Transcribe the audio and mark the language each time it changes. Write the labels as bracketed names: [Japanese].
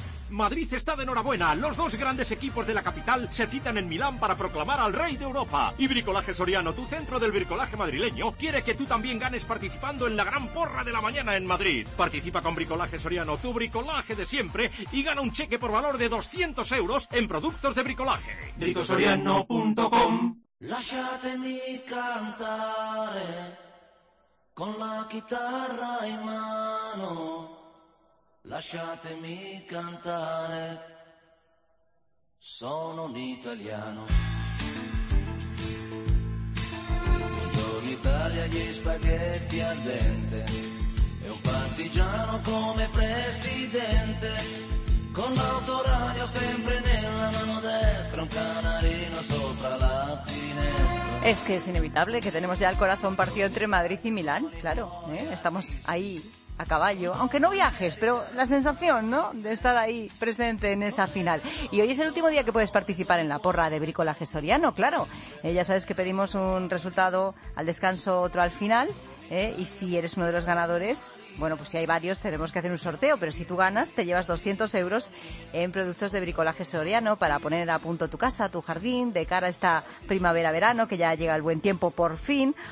[Spanish] Madrid está de enhorabuena. Los dos grandes equipos de la capital se citan en Milán para proclamar al rey de Europa. Y Bricolaje Soriano, tu centro del bricolaje madrileño, quiere que tú también ganes participando en la gran porra de la mañana en Madrid. Participa con Bricolaje Soriano, tu bricolaje de siempre, y gana un cheque por valor de 200 euros en productos de bricolaje. Bricosoriano.com. [Italian] Lasciatemi cantare con la chitarra in mano, lasciatemi cantare, sono un italiano. Buongiorno Italia, gli spaghetti al dente, e un partigiano come presidente. Con l'autoradio sempre nella mano destra, un canarino sopra la finestra. [Spanish] Es que es inevitable que tenemos ya el corazón partido entre Madrid y Milán, claro, estamos ahí a caballo, aunque no viajes, pero la sensación, ¿no?, de estar ahí presente en esa final. Y hoy es el último día que puedes participar en la porra de Bricolaje Soriano, claro. Ya sabes que pedimos un resultado al descanso, otro al final, y si eres uno de los ganadores, bueno, pues si hay varios, tenemos que hacer un sorteo, pero si tú ganas, te llevas 200 euros en productos de Bricolaje Soriano para poner a punto tu casa, tu jardín, de cara a esta primavera-verano, que ya llega el buen tiempo por fin.